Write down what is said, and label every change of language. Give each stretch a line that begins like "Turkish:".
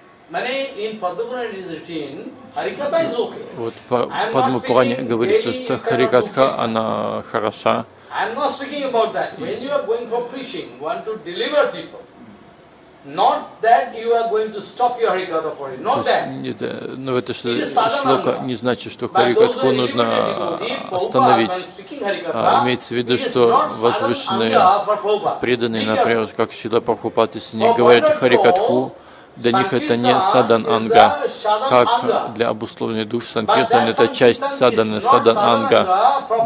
Russian: Вот в Падма Пуране говорится, что Харикатха, она хороша.
English: I'm not speaking about that. When you are going for preaching, want to deliver people, not that you are going to stop your Harikatha for it, not that.
Russian: Нет, но это что шлока не значит, что Харикатху нужно остановить. А имеется в виду, что возвышенные преданные, например, как Шрила Прабхупад, если не говорят Харикатху, для них это не садан-анга, как для обусловленных душ санкиртан, это часть саданы, садан-анга.